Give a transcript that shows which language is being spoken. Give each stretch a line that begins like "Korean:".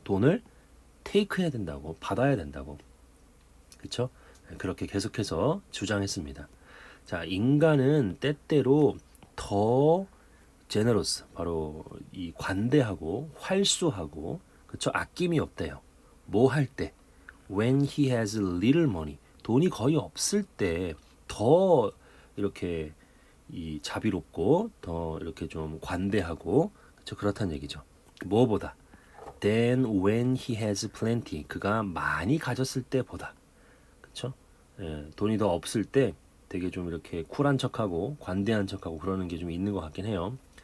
Korean: 돈을 테이크 해야 된다고, 받아야 된다고. 그렇죠? 그렇게 계속해서 주장했습니다. 자, 인간은 때때로 더 제너러스, 바로 이 관대하고 활수하고 그렇죠? 아낌이 없대요. 뭐할 때?
English: When he has little money.
Korean: 돈이 거의 없을 때더 이렇게 이 자비롭고 더 이렇게 좀 관대하고 그렇죠? 그렇단 얘기죠. 뭐보다?
English: Then when he has plenty.
Korean: 그가 많이 가졌을 때보다. 그렇죠? 예, 돈이 더 없을 때 되게 좀 이렇게 쿨한 척하고 관대한 척하고 그러는 게좀 있는 것 같긴 해요.